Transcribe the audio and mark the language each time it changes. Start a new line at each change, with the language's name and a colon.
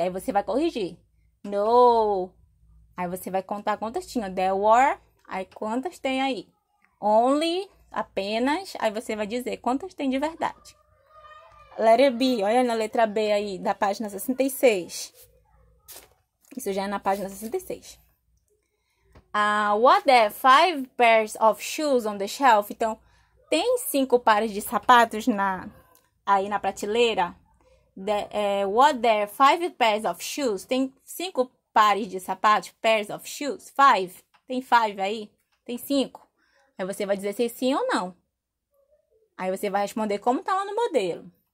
Portuguese: Aí, você vai corrigir. No. Aí, você vai contar quantas tinha.
English: There were.
Portuguese: Aí, quantas tem aí? Only. Apenas, aí você vai dizer quantas tem de verdade.
English: Letter B,
Portuguese: olha na letra B aí, da página 66. Isso já é na página 66.
English: What there, 5 pairs of shoes on the shelf?
Portuguese: Então, tem 5 pares de sapatos aí na prateleira?
English: What there, 5 pairs of shoes?
Portuguese: Tem 5 pares de sapatos?
English: Pairs of shoes?
Portuguese: 5? Tem 5 aí? Tem 5? Aí você vai dizer se sim ou não. Aí você vai responder como tá lá no modelo.